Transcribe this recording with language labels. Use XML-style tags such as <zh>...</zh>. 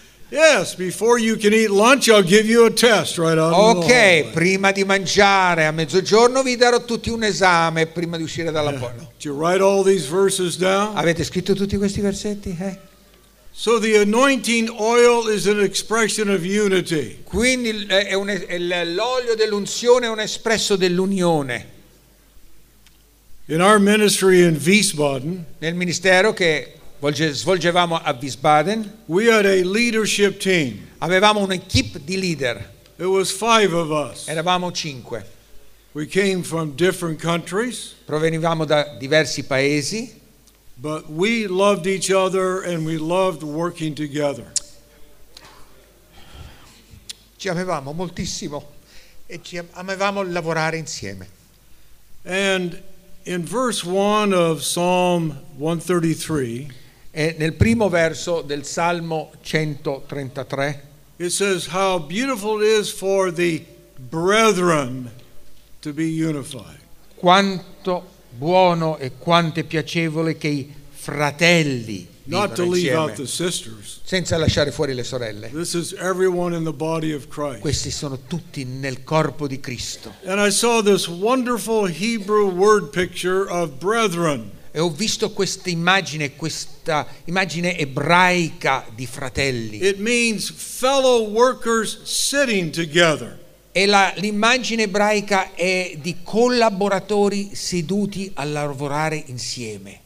<en>Yes, before you can eat lunch, I'll give you a test right on.</en> <it>Okay, prima di mangiare a mezzogiorno vi darò tutti un esame prima di uscire dalla porta.</it> <en>Did you write all these verses down?</en> <it>Avete scritto tutti questi versetti?</it> <en>So the anointing oil is an expression of unity.</en> <it>Quindi l'olio dell'unzione è un espresso dell'unione.</it> <en>In our ministry in Wiesbaden.</en> <it>Nel ministero che svolgevamo a Wiesbaden.</it> <en>We had a leadership team.</en> <it>Avevamo un'equipe di leader.</it> <en>It was five of us.</en> <it>Eravamo cinque.</it> <en>We came from different countries.</en> <it>Provenivamo da diversi paesi.</it> <en>But we loved each other and we loved working together.</en> <it>Ci amavamo moltissimo e ci amavamo lavorare insieme.</it> <en>And in verse 1 of Psalm 133,</en> <it>e nel primo verso del Salmo 133,</it> <en>it says how beautiful it is for the brethren to be unified.</en> <it>Quanto buono e quanto è piacevole che I fratelli vivano</it> <en>insieme. Not to leave out the sisters.</en> <it>Senza lasciare fuori le sorelle.</it> <en>This is everyone in the body of Christ.</en> <it>Questi sono tutti nel corpo di Cristo.</it> <en>And I saw this wonderful Hebrew word picture of brethren.</en> <it>E ho visto questa immagine ebraica di fratelli.</it> <en>It means fellow workers sitting together.</en> <it>E l'immagine ebraica è di collaboratori seduti a lavorare insieme.</it>